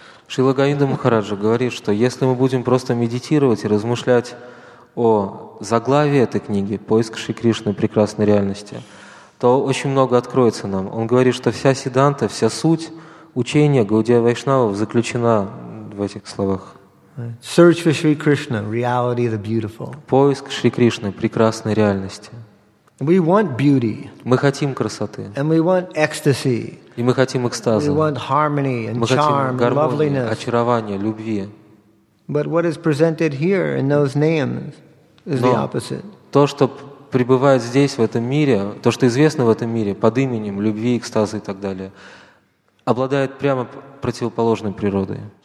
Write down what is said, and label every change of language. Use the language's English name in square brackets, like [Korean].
[Russian] Шрила Говинда Махараджа говорит, что если мы будем просто медитировать и размышлять о заглавии этой книги «Поиск Шри Кришны. Прекрасной реальности», то очень много откроется нам. Он говорит, что вся Сиддханта, вся суть учения Гаудия Вайшнава заключена в этих словах. [English] Search for Sri Krishna, reality of the beautiful. [Russian] Поиск Шри Кришны, прекрасной реальности. [English] We want beauty. [Russian] Мы хотим красоты. [English] And we want ecstasy. [Russian] И мы хотим экстаза. [English] We want harmony and charm and loveliness. [Russian] Очарование, любви. [English] But what is presented here in those names is the opposite. [Russian] То, что пребывает здесь в этом мире, то, что известно в этом мире под именем любви, экстаза и так далее, обладает прямо противоположной природой.